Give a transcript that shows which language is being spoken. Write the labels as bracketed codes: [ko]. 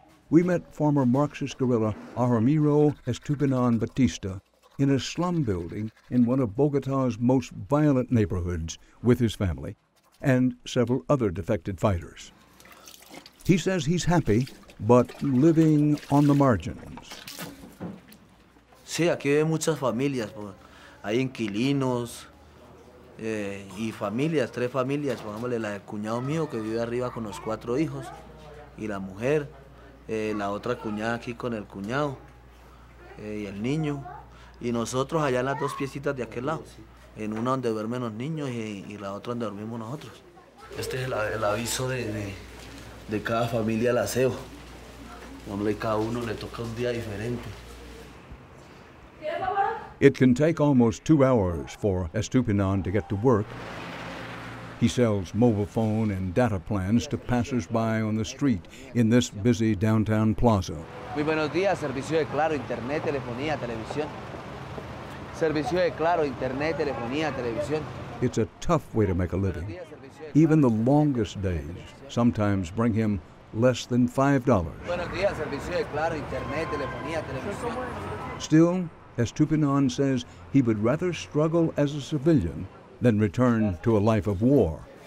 [en] We met former Marxist guerrilla Aramiro Estupinan Batista in a slum building in one of Bogota's most violent neighborhoods with his family and several other defected fighters. He says he's happy, but living on the margins. [es] Sí, aquí hay muchas familias, pues. Hay inquilinos y familias, tres familias, pongámosle la del cuñado mío que vive arriba con los cuatro hijos y la mujer, la otra cuñada aquí con el cuñado y el niño y nosotros allá en las dos piecitas de aquel lado, en una donde duermen los niños y la otra donde dormimos nosotros. Este es el aviso de cada familia al aseo. Hombre, cada uno le toca un día diferente. [en] It can take almost 2 hours for Estupinan to get to work. He sells mobile phone and data plans to passersby on the street in this busy downtown plaza. [es] Muy buenos días, servicio de Claro, internet, telefonía, televisión. Servicio de Claro, internet, telefonía, televisión. [en] It's a tough way to make a living. Even the longest days sometimes bring him less than $5. [es] Buenos días, servicio de Claro, internet, telefonía, televisión. [en] Still, Estupinan says he would rather struggle as a civilian than return to a life of war.